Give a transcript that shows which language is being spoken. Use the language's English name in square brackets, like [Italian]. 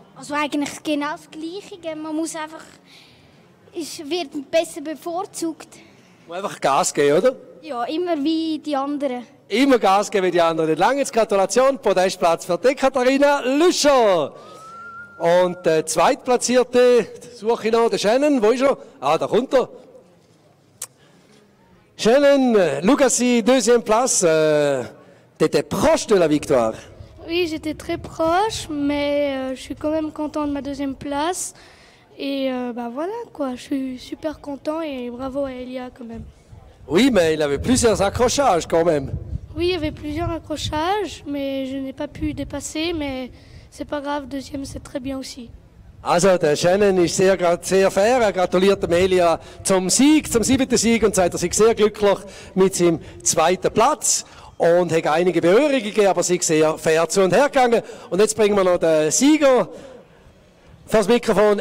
[German] Also eigentlich genau das Gleiche. Man muss einfach... Es wird besser bevorzugt. Man muss einfach Gas geben, oder? Ja, immer wie die anderen. immer Gas geben, wie die anderen nicht lange. Jetzt Gratulation, Podestplatz für die Katharina Lüscher. Und der Zweitplatzierte, suche ich noch, der Shannon, wo ist er? Ah, da kommt er. [French] Shannon, Lugasi, deuxième place. T'étais proche de la victoire. Oui, j'étais très proche, mais je suis quand même content de ma deuxième place. Et voilà quoi, je suis super content et bravo à Elia quand même. Oui, mais il avait plusieurs accrochages quand même. Oui, il y avait plusieurs accrochages, mais je n'ai pas pu dépasser, mais c'est pas grave, deuxième c'est très bien aussi. [German] Also, der Shannon ist sehr, sehr fair. Er gratuliert Amelia zum Sieg, zum siebten Sieg und sagt, er sei sehr glücklich mit seinem zweiten Platz und hat einige Berührungen gegeben, aber sie ist sehr fair zu und her gegangen. Und jetzt bringen wir noch den Sieger vor das Mikrofon.